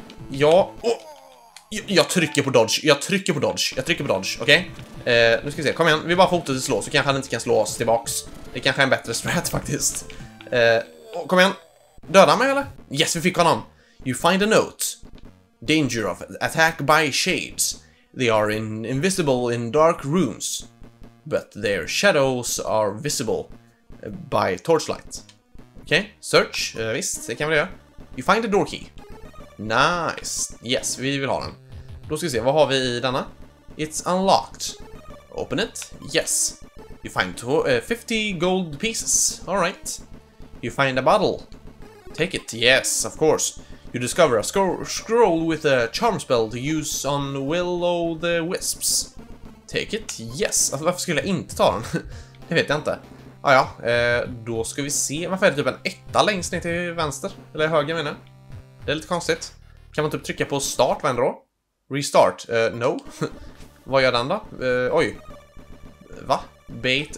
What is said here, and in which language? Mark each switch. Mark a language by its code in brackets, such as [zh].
[sv] Ja, oh. Jag trycker på dodge. Jag trycker på dodge. Jag trycker på dodge, okej? Okay? Nu ska vi se, kom igen, vi bara fortsätter slå. Så kanske han inte kan slå oss tillbaks. Det kanske är en bättre strat faktiskt. Kom igen, döda mig eller? Yes, vi fick honom. [en] You find a note. Danger of attack by shades. They are invisible in dark rooms, but their shadows are visible by torchlight. [sv] Okej, okay. Search, visst, det kan vi göra. [en] You find a door key. [sv] Nice, yes, vi vill ha den. Då ska vi se, vad har vi i denna? [en] It's unlocked. Open it. Yes. You find 50 gold pieces. All right. You find a bottle. Take it. Yes, of course. You discover a scroll with a charm spell to use on Willow the Wisps. Take it. Yes. [sv] Alltså, varför skulle jag inte ta den? Det vet jag inte. Ah, ja. Då ska vi se. Varför är det typ en etta längst ner till vänster? Eller höger menar jag. Det är lite konstigt. Kan man typ trycka på start vänder då? Restart. No. Vad gör den då? Oj. Va? Bait.